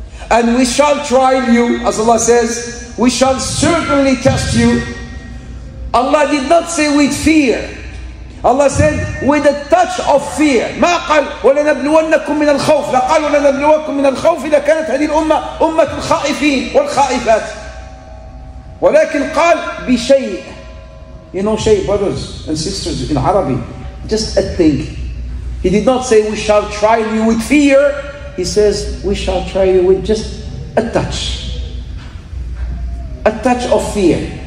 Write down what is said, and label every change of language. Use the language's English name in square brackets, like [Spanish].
[English] and we shall trial you, as Allah says, we shall certainly test you. Allah did not say with fear. Allah said with a touch of fear. [Arabic] ما قال ولنبلونكم من الخوف. لقال ولنبلونكم من الخوف إذا كانت هذه الأمة أمة الخائفين والخائفات. ولكن قال بشيء. [English] You know, شيء, brothers and sisters in Arabic, just a thing. He did not say we shall try you with fear. He says we shall try you with just a touch. A touch of fear.